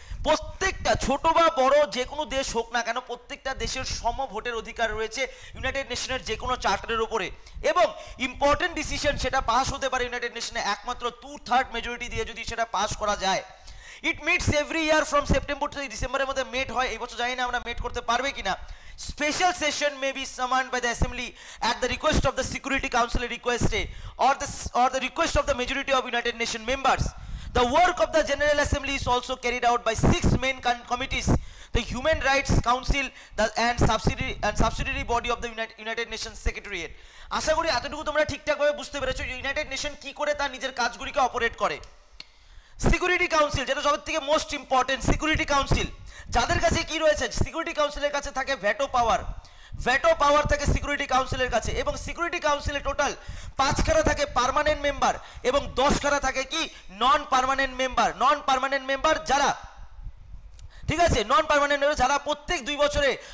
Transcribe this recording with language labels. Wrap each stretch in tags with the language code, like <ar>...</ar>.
<bn>প্রত্যেকটা ছোট বা বড় যে কোনো দেশ হোক না কেন, প্রত্যেকটা দেশের সম ভোটের অধিকার রয়েছে ইউনাইটেড নেশনের যে কোনো চার্টারের উপরে, এবং ইম্পর্টেন্ট ডিসিশন সেটা পাশ হতে পারে ইউনাইটেড নেশনে একমাত্র 2/3 মেজরিটি দিয়ে যদি সেটা পাশ করা যায়।</bn> <en>it meets every year from September to ডিসেম্বরের</en> <bn>মধ্যে মিট হয়, এবছর জানি না আমরা মিট করতে পারবে কি না।</bn> <en>special session may be summoned by the assembly at the request of the</en> <bn>security কাউন্সিলের রিকোয়েস্টে</bn> <en>Or the request of the majority of United Nation members. The work of the General Assembly is also carried out by 6 main committees, the Human Rights Council and subsidiary body of the United Nations Secretariat.</en> <bn>আশা করি এতটুকু তোমরা ঠিকঠাকভাবে বুঝতে পেরেছো যে United nation কি করে তার নিজের কাজগুলিকে অপারেট করে। সিকিউরিটি কাউন্সিল, যেটা সবথেকে মোস্ট ইম্পর্টেন্ট, সিকিউরিটি কাউন্সিল যাদের কাছে কি রয়েছে, সিকিউরিটি কাউন্সিলের কাছে থাকে ভেটো পাওয়ার থাকে সিকিউরিটি কাউন্সিলের কাছে, এবং সিকিউরিটি কাউন্সিলে টোটাল 5 খারা থাকে পার্মানেন্ট মেম্বার এবং 10 খারা থাকে কি নন পার্মানেন্ট মেম্বার যারা, ঠিক আছে, নন পার্মানেন্ট মেম্বার যারা প্রত্যেক 2 বছরে</bn>